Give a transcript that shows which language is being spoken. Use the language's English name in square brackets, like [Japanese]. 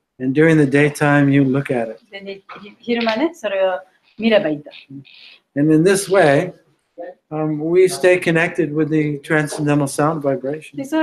[English] and during the daytime you look at it. [Japanese] で、昼間ね、それを見ればいいと。 [English] And in this way, we stay connected with the transcendental sound vibration.